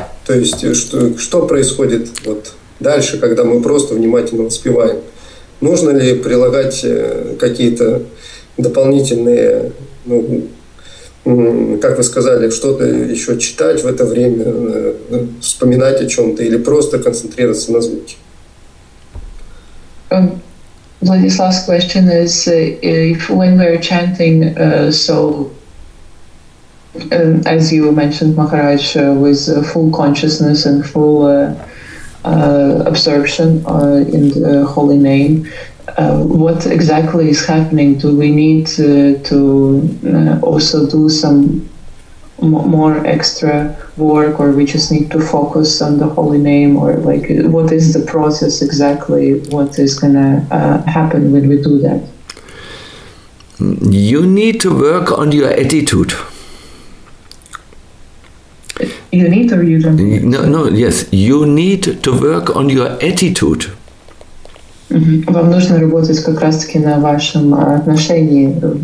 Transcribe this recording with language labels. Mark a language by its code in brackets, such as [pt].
[ru] То есть что происходит вот дальше, когда мы просто внимательно воспеваем? Нужно ли прилагать какие-то дополнительные, ну, как вы сказали, что-то еще читать в это время, вспоминать о чем-то или просто концентрироваться на звуке? [en] Vladislav's question is if when we're chanting, as you mentioned, Maharaj, with full consciousness and full absorption in the holy name, what exactly is happening? Do we need to also do some more extra work, or we just need to focus on the holy name, or like what is the process exactly? What is gonna happen when we do that? You need to work on your attitude. You need, or you don't? Yes, you need to work on your attitude. [ru] Вам нужно работать как раз таки на вашем отношении.